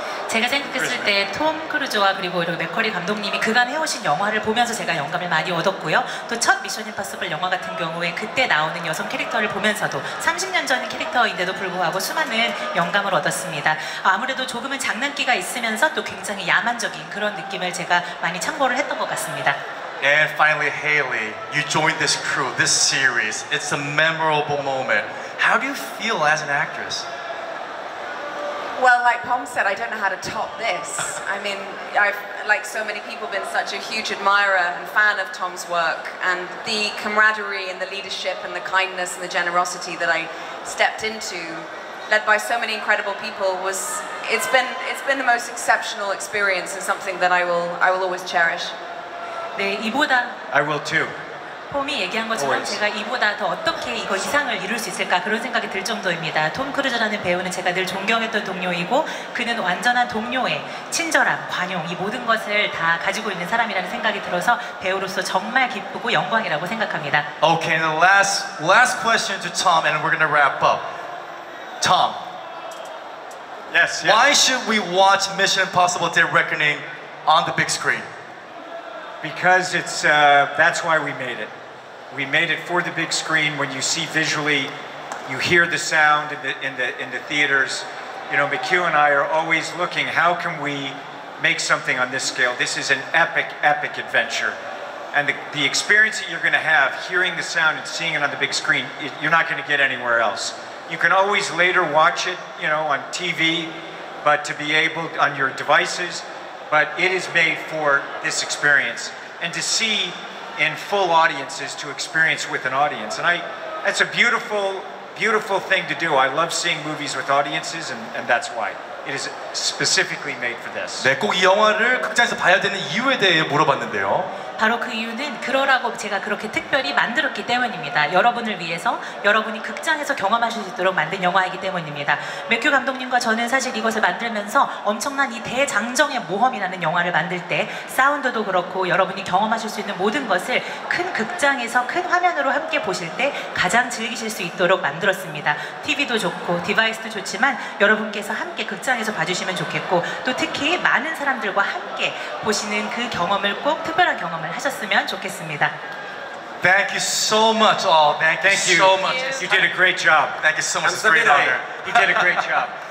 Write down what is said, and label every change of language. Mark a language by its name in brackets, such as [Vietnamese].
[Korean] 제가 생각했을 때 톰 크루즈와 그리고 이렇게 맥쿼리 감독님이 그간 해오신 영화를 보면서 제가 영감을 많이 얻었고요. 또 첫 미션 임파서블 영화 같은 경우에 그때 나오는 여성 캐릭터를 보면서도 30년 전 캐릭터인데도 불구하고 수많은 영감을 얻었습니다. 아무래도 조금은 장난기가 있으면서 또 굉장히 야만적인 그런 느낌을 제가 많이 참고를 했던 것 같습니다. [English] And finally, Hayley, you joined this crew, this series. It's a memorable moment. How do you feel as an actress? Well, like Pom said, I don't know how to top this. I mean, I've, like so many people, been such a huge admirer and fan of Tom's work, and the camaraderie and the leadership and the kindness and the generosity that I stepped into, led by so many incredible people, it's been the most exceptional experience and something that I will always cherish. [Korean] 네, 이보다 [English] I will too. [Korean] 톰이 얘기한 것처럼 제가 이보다 더 어떻게 이거 이상을 이룰 수 있을까 그런 생각이 들 정도입니다. 톰 크루즈라는 배우는 제가 늘 존경했던 동료이고 그는 완전한 동료의 친절함, 관용 이 모든 것을 다 가지고 있는 사람이라는 생각이 들어서 배우로서 정말 기쁘고 영광이라고 생각합니다. [English] Okay, and the last question to Tom and we're gonna wrap up. Tom. Yes, yes. Why should we watch Mission Impossible Dead Reckoning on the big screen? Because it's, that's why we made it. We made it for the big screen. When you see visually, you hear the sound in the theaters. You know, McQuarrie and I are always looking, how can we make something on this scale? This is an epic, epic adventure. And the experience that you're gonna have, hearing the sound and seeing it on the big screen, you're not gonna get anywhere else. You can always later watch it, you know, on TV, but to be able, on your devices, but it is made for this experience. And to see in full audiences, to experience with an audience. And that's a beautiful, beautiful thing to do. I love seeing movies with audiences, and that's why. It is specifically made for this. [Korean] 네, 꼭 이 영화를 극장에서 봐야 되는 이유에 대해 물어봤는데요. 바로 그 이유는 그러라고 제가 그렇게 특별히 만들었기 때문입니다. 여러분을 위해서 여러분이 극장에서 경험하실 수 있도록 만든 영화이기 때문입니다. 맥큐 감독님과 저는 사실 이것을 만들면서 엄청난 이 대장정의 모험이라는 영화를 만들 때 사운드도 그렇고 여러분이 경험하실 수 있는 모든 것을 큰 극장에서 큰 화면으로 함께 보실 때 가장 즐기실 수 있도록 만들었습니다. TV도 좋고 디바이스도 좋지만 여러분께서 함께 극장에서 봐주시면 좋겠고 또 특히 많은 사람들과 함께 보시는 그 경험을 꼭 특별한 경험을 하셨으면 좋겠습니다. [English] Thank you so much. Oh, thank you so much. You did a great job. Thank you so much. I'm so great honor. You did a great job.